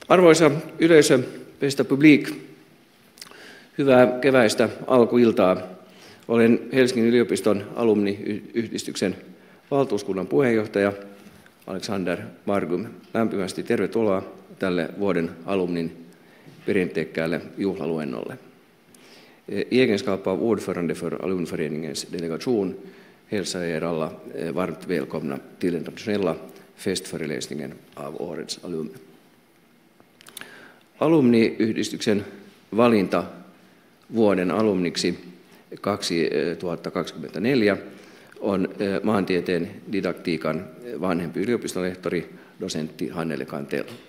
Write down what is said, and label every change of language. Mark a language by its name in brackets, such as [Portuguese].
[Finnish] Arvoisa yleisö, [Swedish] bästa publik, [Finnish] hyvää keväistä alkuiltaa. Olen Helsingin yliopiston alumniyhdistyksen valtuuskunnan puheenjohtaja Alexander Margum. Lämpimästi tervetuloa tälle vuoden alumnin perinteikkäälle juhlaluennolle. [Swedish] I egenskap av ordförande för alumnföreningens delegation hälsar er alla varmt välkomna till den traditionella festföreläsningen av årets alumni. [Finnish] Alumniyhdistyksen valinta vuoden alumniksi 2024 on maantieteen didaktiikan vanhempi yliopistolehtori, dosentti Hannele Kantell.